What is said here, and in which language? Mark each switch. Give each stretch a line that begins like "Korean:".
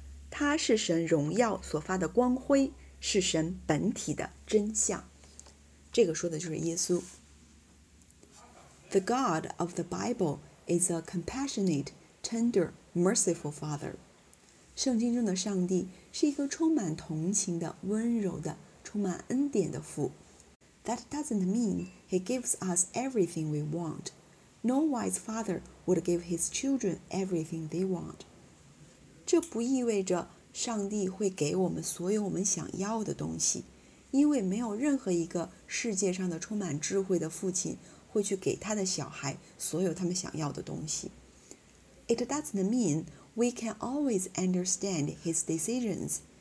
Chinese: 他是神荣耀所发的光辉，是神本体的真相。这个说的就是耶稣。
English: The God of the Bible is a compassionate, tender, merciful Father.
Chinese: 圣经中的上帝是一个充满同情的、温柔的、充满恩典的父。
English: That doesn't mean he gives us everything we want. No wise father would give his children everything they want.
Chinese: 这不意味着上帝会给我们所有我们想要的东西，因为没有任何一个世界上的充满智慧的父亲会去给他的小孩所有他们想要的东西。
English: It doesn't mean we can always understand his decisions.